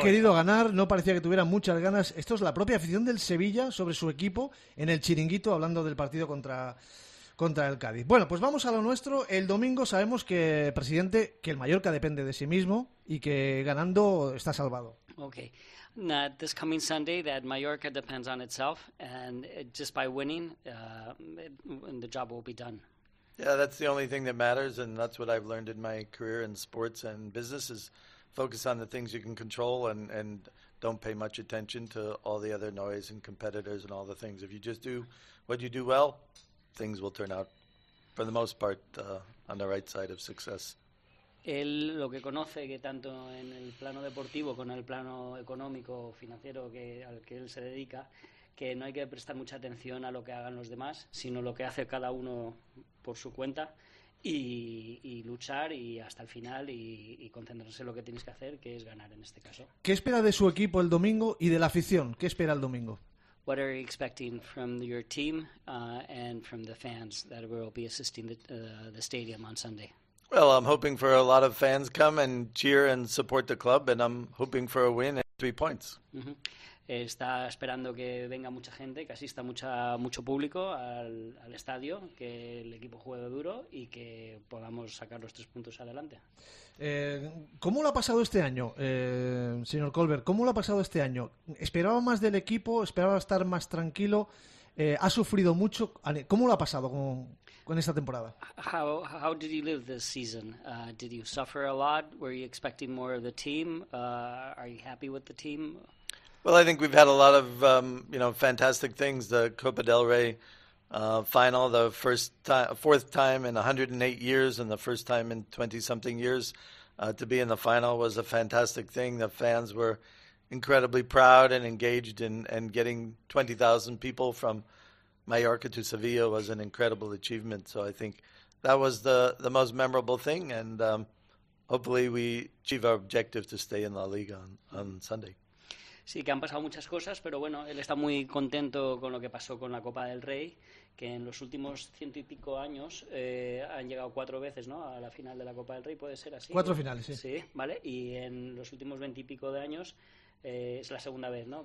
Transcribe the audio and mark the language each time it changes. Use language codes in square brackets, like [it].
[es] Querido ganar, no parecía que tuviera muchas ganas. Esto es la propia afición del Sevilla sobre su equipo en el Chiringuito, hablando del partido contra el Cádiz. Bueno, pues vamos a lo nuestro. El domingo sabemos que, presidente, que el Mallorca depende de sí mismo y que ganando está salvado. [en] Okay. Now, this coming Sunday, that Mallorca depends on itself, and just by winning, the job will be done. Yeah, that's the only thing that matters, and that's what I've learned in my career in sports and business, is focus on the things you can control and don't pay much attention to all the other noise and competitors and all the things. If you just do what you do well, things will turn out, for the most part, on the right side of success. [es] Él lo que conoce, que tanto en el plano deportivo como en el plano económico o financiero al que él se dedica, que no hay que prestar mucha atención a lo que hagan los demás, sino lo que hace cada uno por su cuenta y luchar y hasta el final y concentrarse en lo que tienes que hacer, que es ganar en este caso. ¿Qué espera de su equipo el domingo y de la afición? ¿Qué espera el domingo? [en] What are you expecting from your team and from the fans that will be assisting the stadium on Sunday? Well, I'm hoping for a lot of fans come and cheer and support the club, and I'm hoping for a win and 3 points. Mm-hmm. [es] Está esperando que venga mucha gente, que asista mucho público al estadio, que el equipo juegue duro y que podamos sacar los 3 puntos adelante. ¿Cómo lo ha pasado este año, señor Colbert? ¿Cómo lo ha pasado este año? ¿Esperaba más del equipo? ¿Esperaba estar más tranquilo? ¿Ha sufrido mucho? ¿Cómo lo ha pasado con esta temporada? [en] How did you live this season? Did you suffer a lot? Were you expecting more of the team? Are you happy with the team? Well, I think we've had a lot of fantastic things. The Copa del Rey final, the fourth time in 108 years and the first time in 20-something years to be in the final was a fantastic thing. The fans were incredibly proud and engaged and getting 20,000 people from Mallorca to Sevilla was an incredible achievement. So I think that was the most memorable thing, and hopefully we achieve our objective to stay in La Liga on Sunday. [es] Sí, que han pasado muchas cosas, pero bueno, él está muy contento con lo que pasó con la Copa del Rey, que en los últimos 100 y pico años han llegado 4 veces, ¿no?, a la final de la Copa del Rey, puede ser así. 4 finales, sí. Sí, vale, y en los últimos 20 y pico de años es la segunda vez, ¿no?